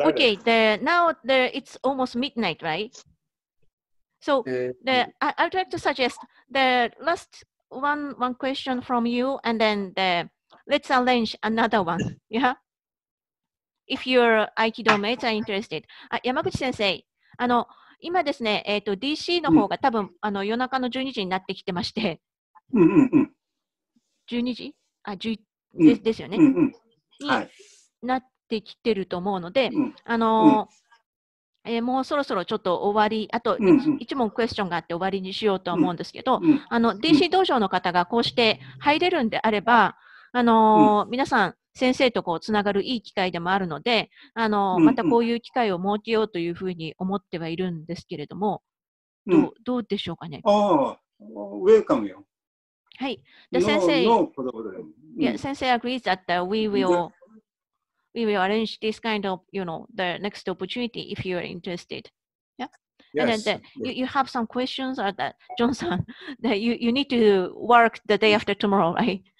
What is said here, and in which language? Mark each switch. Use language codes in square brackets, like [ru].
[en] Okay, it's almost midnight, right? So I'd like to suggest the last one question from you, and then let's arrange another one, yeah? If your Aikido mates are interested. Yamaguchi-sensei, [ja] 今ですね、DC の方が多分、うん、あの夜中の12時になってきてまして、うんうんうん、 12時あ11、うん、ですよね、うんうん、はい、になってきてると思うので、うん、もうそろそろちょっと終わり、あと、うんうん、一問クエスチョンがあって終わりにしようと思うんですけど、うんうん、DC 道場の方がこうして入れるんであれば、うん、皆さん先生とこうつながるいい機会でもあるので、うんうん、またこういう機会を設けようというふうに思ってはいるんですけれども、どうでしょうかね。ああ、ウェルカムよ。はい。 [en] で、先生、先生 agrees that we will arrange this kind of, you know, the next opportunity if you are interested. Yeah? Yes. And then you have some questions or that, John-san, that you need to work the day after tomorrow, right?